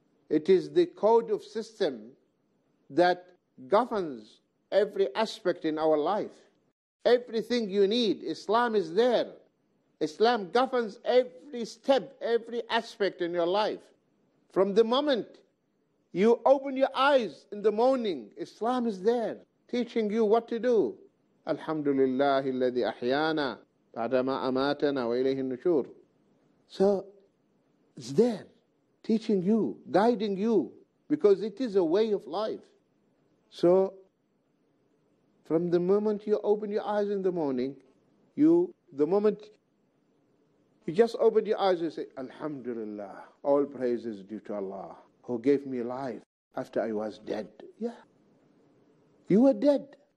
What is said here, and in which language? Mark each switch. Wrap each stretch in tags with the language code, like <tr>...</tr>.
<en>It is the code of system that governs every aspect in our life. Everything you need, Islam is there. Islam governs every step, every aspect in your life. From the moment you open your eyes in the morning, Islam is there, teaching you what to do.</en> <ar>Alhamdulillah, الذي أحيانا بعدما أماتنا وإليه النشور.</ar> <en>So it's there, teaching you, guiding you, because it is a way of life. So from the moment you open your eyes in the morning, you just open your eyes and say, Alhamdulillah, all praise is due to Allah, who gave me life after I was dead. Yeah. You were dead.</en>